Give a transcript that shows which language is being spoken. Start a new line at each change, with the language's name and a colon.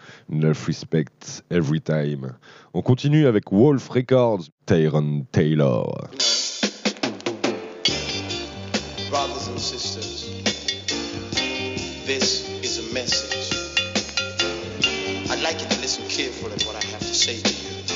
English: Enough respect every time.
French: On continue avec Wolf Records, Tyrone Taylor.
English: Brothers and sisters, this is a message. I'd like you to listen carefully to what I have to say to you.